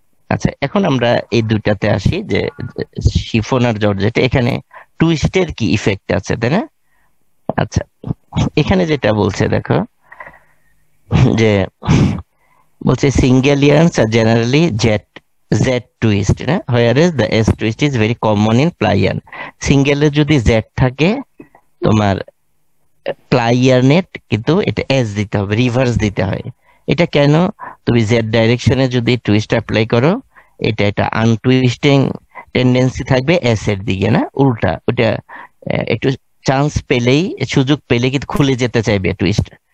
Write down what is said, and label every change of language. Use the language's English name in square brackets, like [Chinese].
[Bangla] আচ্ছা, এখন আমরা এই দুটাতে আসি, যে শিফন আর জর্জেট, এখানে টুইস্টের কি ইফেক্ট আছে, তাই না? আচ্ছা, এখানে যেটা বলছে দেখো, যে বলছে [English] Single yarns আর generally Z Z twist, right? Whereas the S twist is very common in plyer. [Bangla] Single যদি Z থাকে, তোমার plyer net কিন্তু এটা S দিতে হবে, reverse দিতে হয়। এটা কেন? তুমি Z directionে যদি twist apply করো, এটা এটা untwisting tendency থাকবে S এর দিকে, না? উল্টা, ওটা একটু chance পেলেই, সুযোগ পেলেই কিন্তু খুলে যেতে চাইবে twist।